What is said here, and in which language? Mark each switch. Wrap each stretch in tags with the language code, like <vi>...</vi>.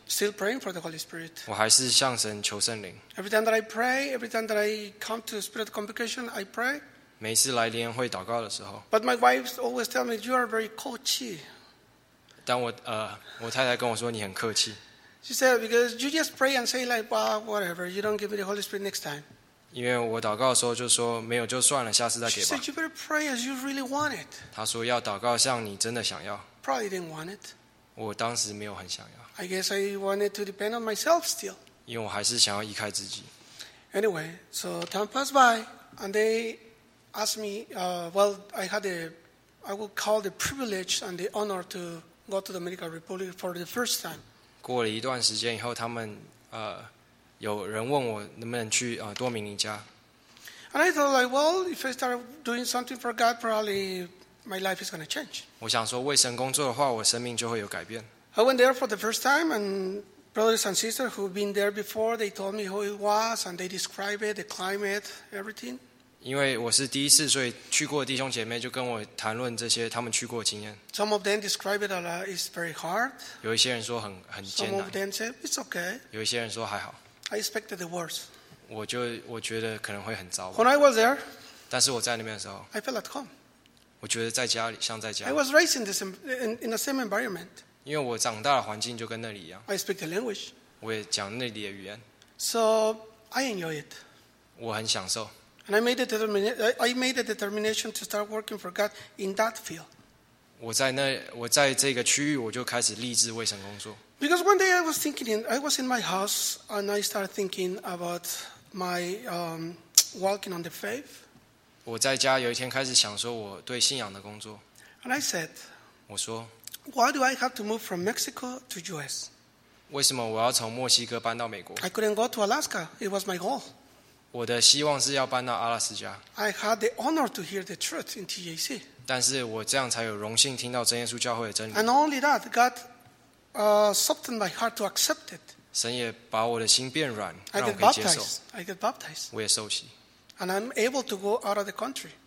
<en>Still praying for the Holy Spirit.</en> <zh>我还是向神求圣灵。</zh> <en>Every time that I pray, every time that I come to spirit convocation, I pray.</en> <zh>每次来联会祷告的时候。</zh> <en>But my wife always tell me you are very 客气。</en> <zh>但我太太跟我说你很客气。</zh> <en>She said because you just pray and say like, well, whatever, you don't give me the Holy Spirit next time.</en> <zh>因为我祷告的时候就说没有就算了，下次再给吧。</zh> <en>She said you better pray as you really want it.</en> <zh>他说要祷告像你真的想要。</zh> <en>Probably didn't want it.</en> <zh>我当时没有很想要。</zh> <en>I guess I wanted to depend on myself still.</en> <zh>因为我还是想要依靠自己。</zh> <en>Anyway, so time passed by, and they asked me, well, I would call the privilege and the honor to go to the Dominican Republic for the first time.</en> <zh>过了一段时间以后，他们有人问我能不能去多米尼加。</zh> <en>And I thought like, well, if I start doing something for God, probably my life is going to change.</en> <zh>我想说为神工作的话，我生命就会有改变。</zh> <en>I went there for the first time, and brothers and sisters who've been there before, they told me who it was, and they described it, the climate, everything.</en> <zh>因为我是第一次，所以去过的弟兄姐妹就跟我谈论这些他们去过的经验。</zh> <en>Some of them describe it as very hard.</en> <zh>有一些人说很艰难。</zh> <en>Some of them said it's okay.</en> <zh>有一些人说还好。</zh> <en>I expected the worst.</en> <zh>我觉得可能会很糟。</zh> <en>When I was there,</en> <zh>但是我在那边的时候</zh> <en>I felt at home.</en> <zh>我觉得在家里像在家。</zh> <en>I was raised in the same environment.</en> <zh>因为我长大的环境就跟那里一样。</zh> <en>I speak the language.</en> <zh>我也讲那里的语言。</zh> <en>So I enjoy it.</en> <zh>我很享受。</zh> <en>And I made a determination to start working for God in that field.</en> <zh>我在这个区域，我就开始立志为神工作。</zh> <en>Because one day I was in my house, and I started thinking about my walking on the faith.</en> <zh>我在家有一天开始想说我对信仰的工作。</zh> <en>And I said,</en> <zh>我说。</zh> <en>Why do I have to move from Mexico to U.S.?</en> <zh>为什么我要从墨西哥搬到美国？</zh> <en>I couldn't go to Alaska. It was my goal.</en> <zh>我的希望是要搬到阿拉斯加。</zh> <en>I had the honor to hear the truth in TAC.</en> <zh>但是我这样才有荣幸听到真耶稣教会的真理。</zh> <en>And only that, God softened my heart to accept it.</en> <zh>神也把我的心变软，让我可以接受。</zh> <en>I get baptized.</en> <zh>我也受洗。</zh> <en>And I'm able to go out of the country.</en>